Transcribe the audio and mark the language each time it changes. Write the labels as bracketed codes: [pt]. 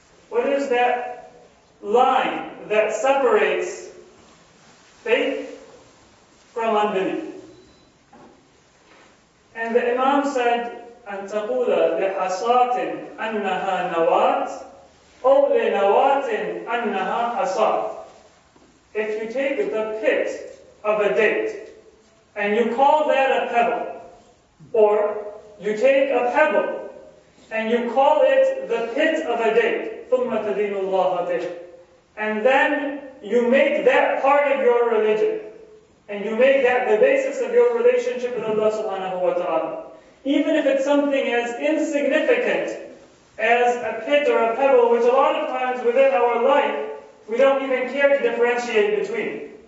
[en] What is that line that separates faith from unbelief? And the Imam said, [ar] أن تقول لحصاة أنها نواة أو لنواة أنها حصاة. [en] If you take the pit of a date and you call that a pebble, or you take a pebble and you call it the pit of a date, [ar] ثم تدين الله به, [en] and then you make that part of your religion and you make that the basis of your relationship with Allah subhanahu wa ta'ala, even if it's something as insignificant as a pit or a pebble, which a lot of times within our life, we don't even care to differentiate between.